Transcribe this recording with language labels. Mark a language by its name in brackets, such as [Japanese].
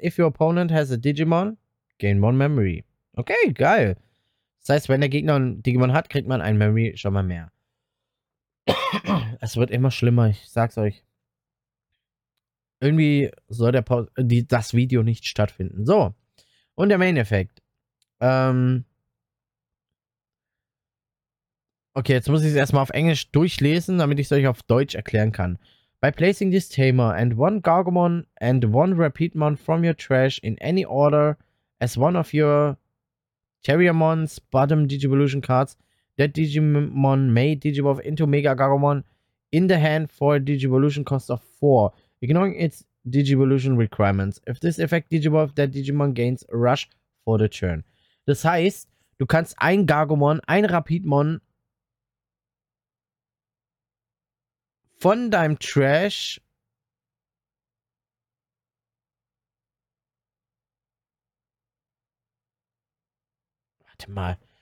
[English] If your opponent has a Digimon, gain 1 memory. [German] Okay, geil. Das heißt, wenn der Gegner ein Digimon hat, kriegt man ein Memory schon mal mehr. Es wird immer schlimmer, ich sag's euch. irgendwie soll der das Video nicht stattfinden. So, und der Main-Effekt. Okay, jetzt muss ich es erstmal auf Englisch durchlesen, damit ich es euch auf Deutsch erklären kann. [English] By placing this Tamer and one Gargomon and one Rapidmon from your trash in any order as one of your Terriermon's bottom Digivolution cards, that Digimon may Digivolve into Mega Gargomon in the hand for a Digivolution cost of 4, ignoring its Digivolution requirements. If this effect Digivolve, that Digimon gains a rush for the turn. [German] Das heißt, du kannst ein Gargomon, ein Rapidmon von deinem Trash warte mal.